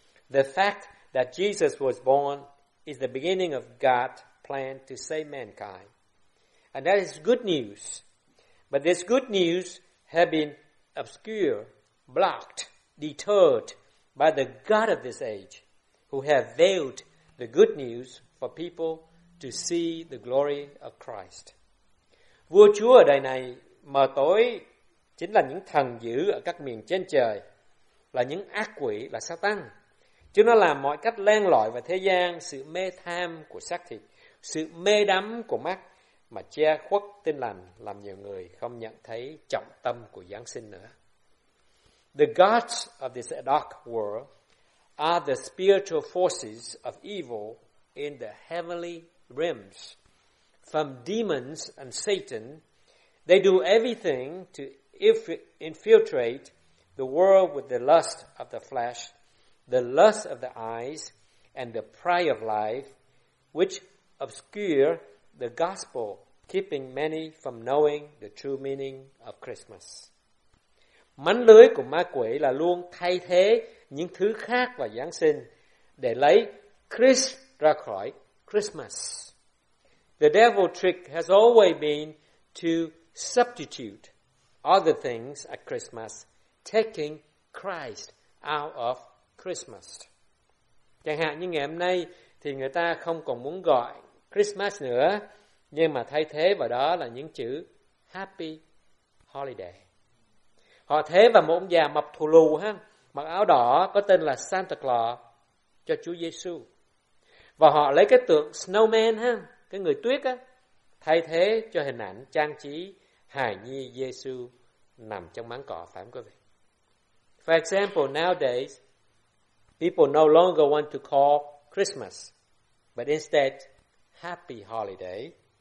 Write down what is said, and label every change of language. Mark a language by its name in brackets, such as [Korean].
[English] The fact that Jesus was born is the beginning of God's plan to save mankind. And that is good news. But this good news has been obscured, blocked, deterred by the God of this age, who have veiled the good news for people to see the glory of Christ. [Vietnamese] Vua Chúa ở đời này mờ tối chính là những thần dữ ở các miền trên trời, là những ác quỷ, là Satan. Chúng nó làm mọi cách len lỏi vào thế gian sự mê tham của xác thịt, sự mê đắm của mắt mà che khuất tin lành, làm nhiều người không nhận thấy trọng tâm của Giáng sinh nữa. [English] The gods of this dark world are the spiritual forces of evil in the heavenly realms. From demons and Satan, they do everything to infiltrate the world with the lust of the flesh, the lust of the eyes, and the pride of life, which obscure the gospel, keeping many from knowing the true meaning of Christmas. [Vietnamese] Mánh lưới của ma quỷ là luôn thay thế những thứ khác vào Giáng sinh để lấy Chris ra khỏi Christmas. [English] The devil's trick has always been to substitute other things at Christmas, taking Christ out of Christmas. [Vietnamese] Chẳng hạn như ngày hôm nay thì người ta không còn muốn gọi Christmas nữa, nhưng mà thay thế vào đó là những chữ Happy Holiday. Họ thế vào một ông già mập thù lù ha, mặc áo đỏ có tên là Santa Claus cho Chúa Giêsu. Và họ lấy cái tượng snowman ha, cái người tuyết á, thay thế cho hình ảnh trang trí hài nhi Giêsu nằm trong máng cỏ, phải không quý vị? [English] For example, nowadays people no longer want to call Christmas, but instead Happy Holiday.